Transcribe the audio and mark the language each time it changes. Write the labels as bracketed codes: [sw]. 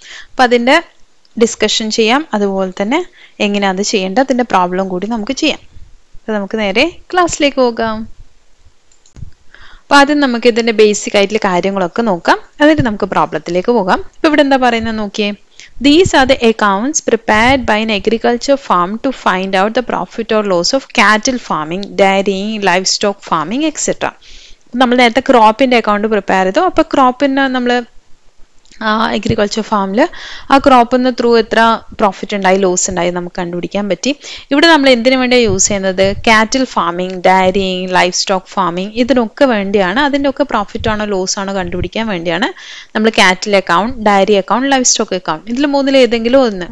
[ml] അപ്പം അതിൻ്റെ ഡിസ്കഷൻ ചെയ്യാം, അതുപോലെ തന്നെ എങ്ങനെയാണ് അത് ചെയ്യേണ്ടത് അതിൻ്റെ പ്രോബ്ലം കൂടി നമുക്ക് ചെയ്യാം. അപ്പം നമുക്ക് നേരെ ക്ലാസ്സിലേക്ക് പോകാം. അപ്പോൾ ആദ്യം നമുക്ക് ഇതിൻ്റെ ബേസിക് ആയിട്ടുള്ള കാര്യങ്ങളൊക്കെ നോക്കാം, എന്നിട്ട് നമുക്ക് പ്രോബ്ലത്തിലേക്ക് പോകാം. ഇപ്പോൾ ഇവിടെ എന്താ പറയുന്നത് നോക്കിയേ. [en] These are the accounts prepared by an agriculture farm to find out the profit or loss of cattle farming, dairying, livestock farming, etc. [ml] നമ്മൾ നേരത്തെ ക്രോപ്പിൻ്റെ അക്കൗണ്ട് പ്രിപ്പയർ ചെയ്തു. അപ്പോൾ ക്രോപ്പിൻ്റെ നമ്മൾ അഗ്രികൾച്ചർ ഫാമിൽ ആ ക്രോപ്പിന് ത്രൂ എത്ര പ്രോഫിറ്റ് ഉണ്ടായി, ലോസ് ഉണ്ടായി നമുക്ക് കണ്ടുപിടിക്കാൻ പറ്റി. ഇവിടെ നമ്മൾ എന്തിനു വേണ്ടിയാണ് യൂസ് ചെയ്യുന്നത്? കാറ്റിൽ farming, dairying life stock farming ഇതിനൊക്കെ വേണ്ടിയാണ്, അതിൻ്റെയൊക്കെ പ്രോഫിറ്റാണോ ലോസാണോ കണ്ടുപിടിക്കാൻ വേണ്ടിയാണ് നമ്മൾ കാറ്റിൽ account, diary account, life stock account ഇതിൽ മൂന്നിൽ ഏതെങ്കിലും ഒന്ന്.